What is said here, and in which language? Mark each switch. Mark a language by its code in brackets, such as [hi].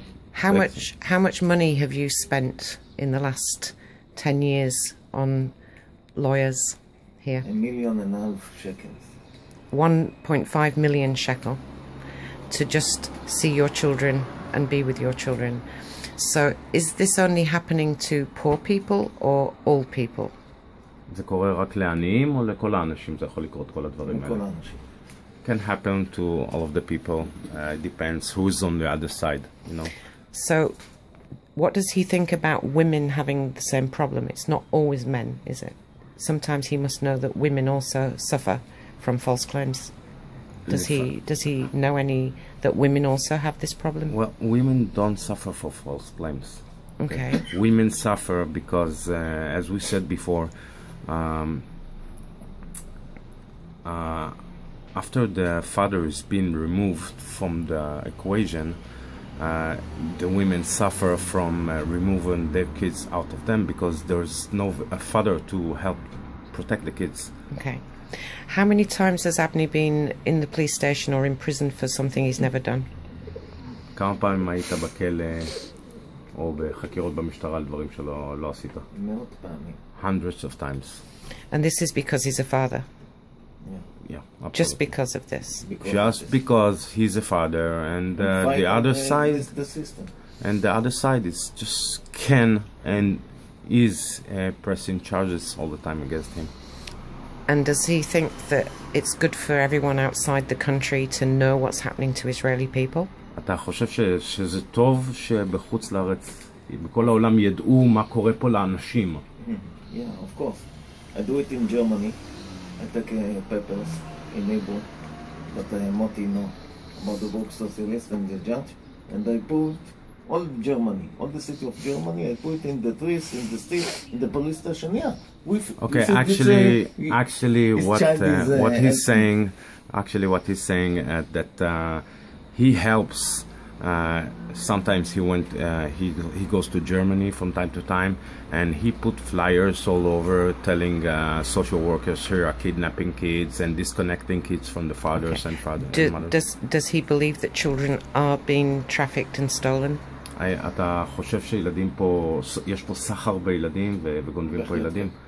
[en] How much money have you spent in the last 10 years on lawyers here? 1.5 million shekels. 1.5 million shekel to just see your children and be with your children. So is this only happening to poor people or all people? [he] זה קורה רק לעניים או לכל האנשים? זה יכול לקרות כל הדברים האלה. לכל האנשים. [en] Can happen to all of the people. It depends who's on the other side, you know. So what does he think about women having the same problem? It's not always men, is it? Sometimes he must know that women also suffer from false claims. Does he know any that women also have this problem? Well, women don't suffer for false claims. Okay. Women suffer because, as we said before, after the father is being removed from the equation, the women suffer from removing their kids out of them because there's no father to help protect the kids. Okay. How many times has Avni been in the police station or in prison for something he's never done? [he] כמה פעמים היית בכלא או בחקירות במשטרה על דברים שלא לא עשית? מאות פעמים. [en] Hundreds of times. And this is because he's a father. Yeah, just because of this. Because he's a father, and the other side is the system. And the other side is just can and is pressing charges all the time against him. And does he think that it's good for everyone outside the country to know what's happening to Israeli people? [he] אתה חושב שזה טוב שבחוץ לארץ, בכל העולם ידעו מה קורה פה לאנשים? [en] Yeah, of course. I do it in Germany. I take papers in Hebrew, but Moti know about the book Socialist and the Judge. And I put all Germany, all the city of Germany, I put in the trees, in the streets, in the police station. Yeah. Okay, actually what he's saying that he helps. Sometimes he goes to Germany from time to time, and he put flyers all over telling social workers here are kidnapping kids and disconnecting kids from the fathers. Okay. And father do, and mothers. Does he believe that children are being trafficked and stolen? [he] אתה חושב שילדים פה, יש פה סחר בילדים וגונבים פה ילדים?